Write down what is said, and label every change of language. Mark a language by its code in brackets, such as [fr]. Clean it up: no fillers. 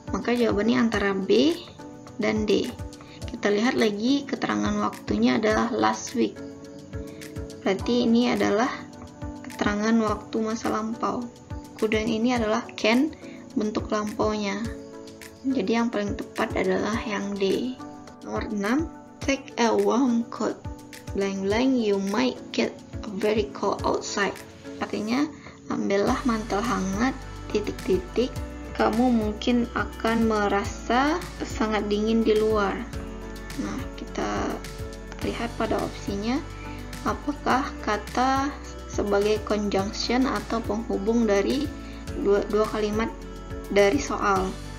[id] Maka jawabannya antara B dan D. Kita lihat lagi keterangan waktunya adalah last week. Berarti ini adalah keterangan waktu masa lampau. Kudan ini adalah can, bentuk lampaunya. Jadi yang paling tepat adalah yang D. [en] Nomor 6, take a warm coat. Blank blank, you might get very cold outside. [id] Artinya, ambillah mantel hangat, ... kamu mungkin akan merasa sangat dingin di luar. Nah, kita lihat pada opsinya, apakah kata sebagai conjunction atau penghubung dari dua kalimat dari soal.